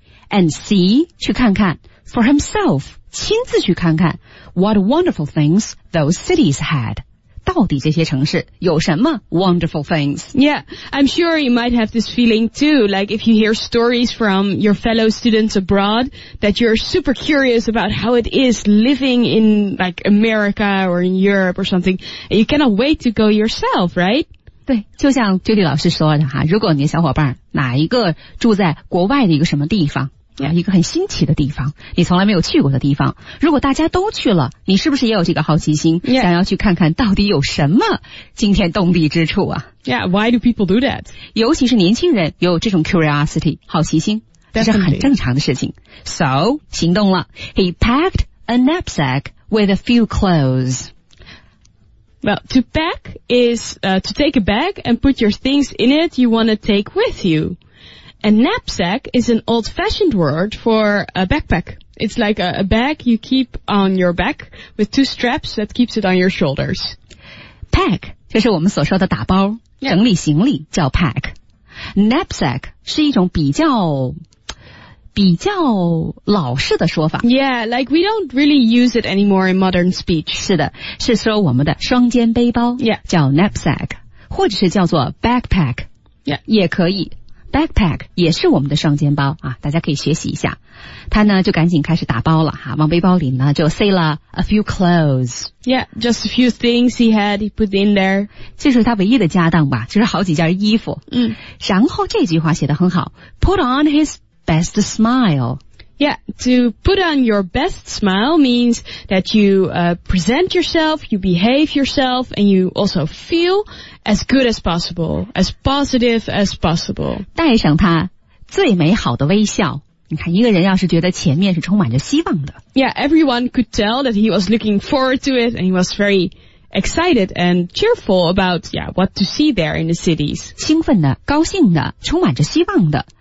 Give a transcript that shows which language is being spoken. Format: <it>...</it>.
<en>and see</en> <zh>去看看</zh> <en>for himself</en> <zh>亲自去看看</zh> <en>what wonderful things those cities had</en> <zh>到底这些城市有什么</zh> <en>wonderful things Yeah, I'm sure you might have this feeling too like if you hear stories from your fellow students abroad that you're super curious about how it is living in like America or in Europe or something you cannot wait to go yourself, right?</en> <zh>对就像 Judy 老师说的哈如果你的小伙伴哪一个住在国外的一个什么地方、 yeah. 一个很新奇的地方你从来没有去过的地方如果大家都去了你是不是也有这个好奇心、 yeah. 想要去看看到底有什么惊天动地之处啊</zh> <en>Yeah, why do people do that?</en> <zh>尤其是年轻人有这种 curiosity, 好奇心这是很正常的事情。</zh> <en>So,</en> <zh>行动了。</zh> <en>He packed a knapsack with a few clothes. Well, to pack is, to take a bag and put your things in it you want to take with you. A knapsack is an old-fashioned word for a backpack. It's like a bag you keep on your back with two straps that keeps it on your shoulders.</en> <zh>Pack, 这是我们所说的打包、 yeah. 整理行李叫 pack. Knapsack 是一种比较老式的说法</zh> <en>Yeah, like we don't really use it anymore in modern speech</en> <zh>是的是说我们的双肩背包 Yeah 叫 knapsack 或者是叫做 backpack Yeah 也可以 Backpack 也是我们的双肩包啊，大家可以学习一下他呢就赶紧开始打包了哈，往背包里呢就塞了</zh> <en>a few clothes Yeah, just a few things he had he put in there</en> <zh>这是他唯一的家当吧就是好几件衣服嗯，然后这句话写得很好</zh> <en>Put on hisBest smile. Yeah, to put on your best smile means that you, present yourself, you behave yourself, and you also feel as good as possible, as positive as possible.</en> <zh>带上他最美好的微笑。你看，一个人要是觉得前面是充满着希望的。</zh> <en>Yeah, everyone could tell that he was looking forward to it, and he was very excited and cheerful about, yeah, what to see there in the cities.</en> <zh>兴奋的，高兴的，充满着希望的。</zh>